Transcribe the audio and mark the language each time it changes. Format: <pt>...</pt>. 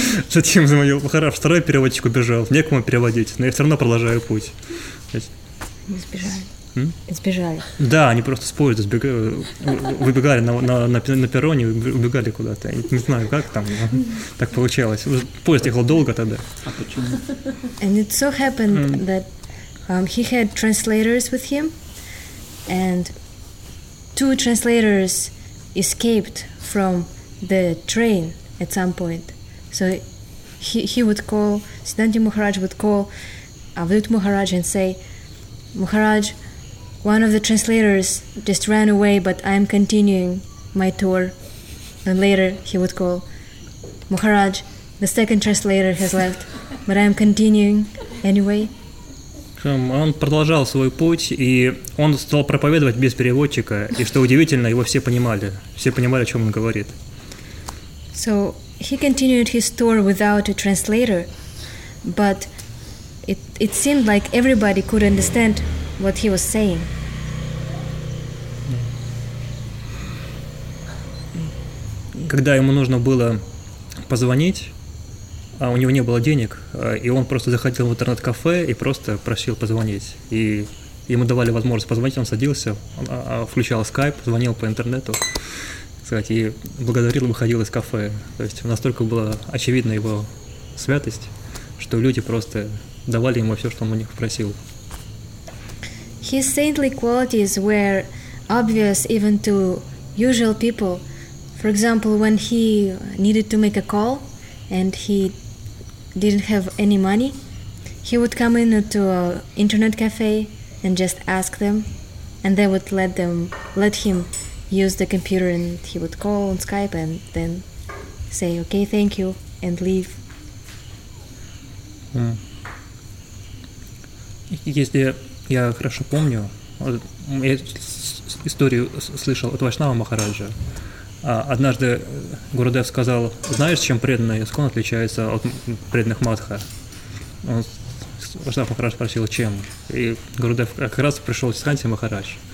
<ru>Затем звонил Махарадж, второй переводчик убежал. Некому переводить, но я все равно продолжаю путь. Избежали. Да, они просто с поезда выбегали на перроне, убегали куда-то. Я не знаю, как там так получалось. Поезд ехал долго тогда. А почему?</ru> <en>And it so happened that he had translators with him, and two translators escaped from the train at some point. So he would call, Siddhanti Maharaj would call Avadhut Maharaj and say, Maharaj, one of the translators just ran away, but I am continuing my tour. And later he would call, Maharaj, the second translator has left, but I am continuing anyway.</en> <ru>Он продолжал свой путь, и он стал проповедовать без переводчика, и что удивительно, его все понимали, о чем он говорит.</ru> <en>So he continued his tour without a translator, but it seemed like everybody could understand what he was saying.</en> <ru>Когда ему нужно было позвонить, а у него не было денег, и он просто заходил в интернет-кафе и просто просил позвонить. И ему давали возможность позвонить, он садился, включал скайп, звонил по интернету, сказать, и благодарил, выходил из кафе. То есть настолько была очевидна его святость, что люди просто давали ему все, что он у них просил.</ru> <en>His saintly qualities were obvious even to usual people. For example, when he needed to make a call, and he didn't have any money, he would come into an internet cafe and just ask them, and they would let him use the computer, and he would call on Skype and then say, okay, thank you, and leave.</en> <ru>Если я хорошо помню, я историю слышал от Вайшнава Махараджа. Однажды Гурудев сказал, знаешь, чем преданный искон отличается от преданных Мадха? Он Вайшнав Махарадж спросил, чем? И Гурудев как раз пришел в Сиддханти Махарадж.</ru>